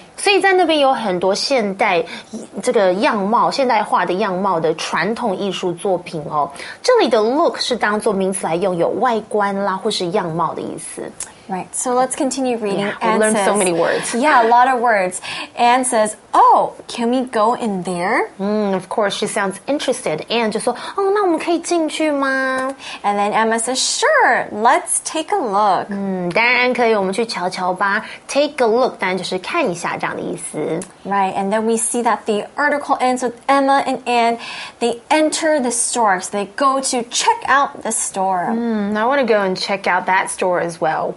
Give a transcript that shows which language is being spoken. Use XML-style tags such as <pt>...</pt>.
<zh>所以在那边有很多现代这个样貌现代化的样貌的传统艺术作品哦。这里的 look 是当作名词来用，有外观啦或是样貌的意思。</zh> <en>Right, so let's continue reading. Yeah, Anne learned so many words. Yeah, a lot of words. Anne says, oh, can we go in there? Of course, she sounds interested. Anne</en> <zh>就说、</zh> <en>oh,</en> <zh>那我们可以进去吗</zh> <en>And then Emma says, sure, let's take a look.</en> <zh>当然可以，我们去瞧瞧吧。 Take a look 当然就是看一下这样的意思。</zh> <en>Right, and then we see that the article ends with Emma and Anne. They enter the store, so they go to check out the store. I want to go and check out that store as well.</en>